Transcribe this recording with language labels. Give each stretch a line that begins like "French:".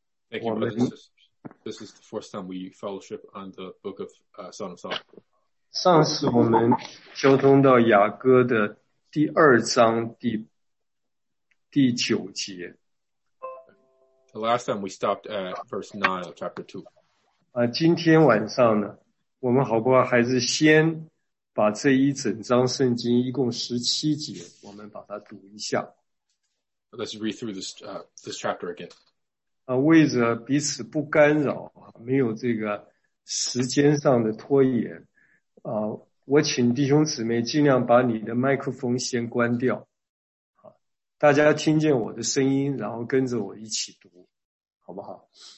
English: Thank you, brothers and sisters. This is the first time we fellowship on the book of Song of Solomon.
Chinese: 上次我们交通到雅歌的第二章第九节。
English: The last time we stopped at verse 9 of chapter 2.
Chinese: 今天晚上呢，我们好不好还是先把这一整章圣经一共17节，我们把它读一下。
English: Let's read through this chapter again.
Chinese: 为着彼此不干扰，没有这个时间上的拖延，我请弟兄姊妹尽量把你的麦克风先关掉，大家听见我的声音，然后跟着我一起读，好不好？